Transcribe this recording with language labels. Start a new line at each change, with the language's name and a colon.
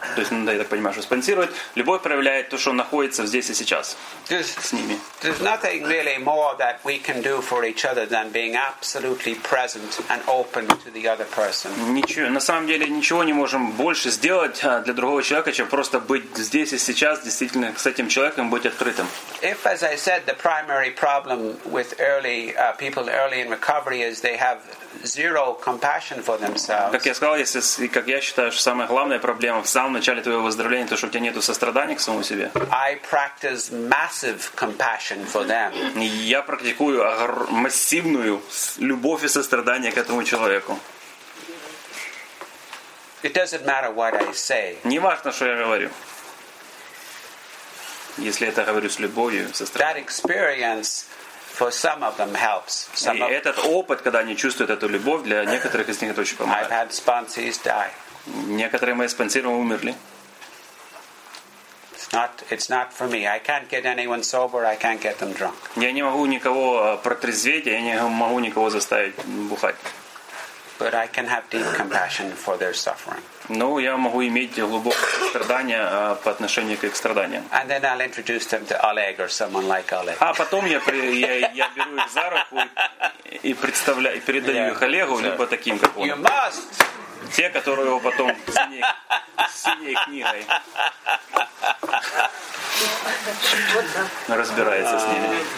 Russian: То есть, я так понимаю, что спонсирует. Любовь проявляет то, что находится здесь и сейчас с ними.
English: There's nothing really more that we can do for each other than being absolutely present and open to the other person.
Russian: Ничего, на самом деле, ничего не можем больше сделать для другого человека, чем просто быть здесь и сейчас, действительно, с этим человеком быть открытым.
English: If, as I said, the primary problem with people early in recovery is they have zero compassion for themselves.
Russian: Как я сказал, как я считаю, что самая главная проблема в самом начале твоего выздоровления то, что у тебя нету сострадания к самому себе.
English: I practice massive compassion for them.
Russian: Я практикую массивную любовь и сострадание к этому человеку.
English: It doesn't matter what I say.
Russian: Не важно, что я говорю. Если это говорю с любовью, состраданием.
English: That experience for some of them helps. Some
Russian: и этот опыт, когда они чувствуют эту любовь, для некоторых из них это очень помогает.
English: I've had sponsees die.
Russian: Некоторые мои спонсоры умерли.
English: It's not for me. I can't get anyone sober. I can't get them drunk.
Russian: Я не могу никого протрезветь, я не могу никого заставить бухать.
English: But I can have deep compassion for their suffering.
Russian: Но я могу иметь глубокое страдание по отношению к их страданиям.
English: And then I'll introduce them to Oleg or someone like Oleg.
Russian: А потом я беру их за руку и представляю, и передаю их Олегу, либо таким, как он.
English: You must.
Russian: Те, которые его потом с синей книгой разбирается с ними.